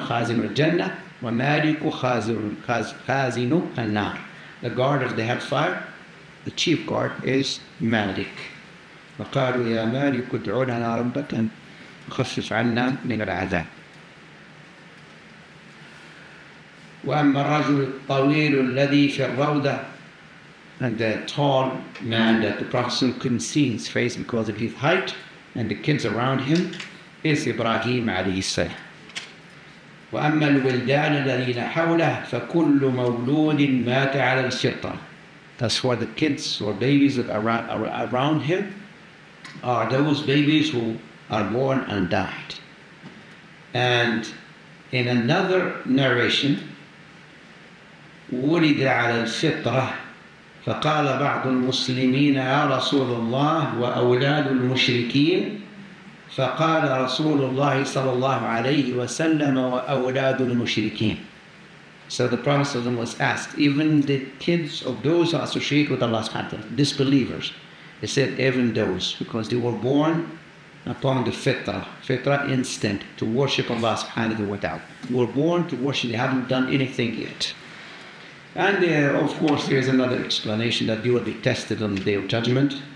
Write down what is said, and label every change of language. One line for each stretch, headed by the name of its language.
Arabic: خازن الجنة ومالك خازن النار.
English: The guard of the hellfire, the chief guard, is Malik.
Arabic: وقالوا يا مالك ادعو لنا ربك أن خفف عنا من العذاب. وأما الرجل الطويل الذي في الروضة,
English: and the tall man that the Prophet couldn't see his face because of his height and the kids around him, is إبراهيم
Arabic: عليه السلام. وأما الولدان الذين حوله فكل مولود مات على الشطة.
English: That's for the kids or babies that are around him, are those babies who are born and died. And in another narration,
Arabic: ولد على الشطة فقال بعض المسلمين يا رسول الله وأولاد المشركين. فقال رسول الله صلى الله عليه وسلم وأولاد المشركين.
English: So the Prophet was asked, even the kids of those who are associated with Allah, disbelievers, I said even those, because they were born upon the fitra, fitra instinct, to worship Allah subhanahu wa ta'ala. They were born to worship, they haven't done anything yet. And of course, there's another explanation that they will be tested on the Day of Judgment.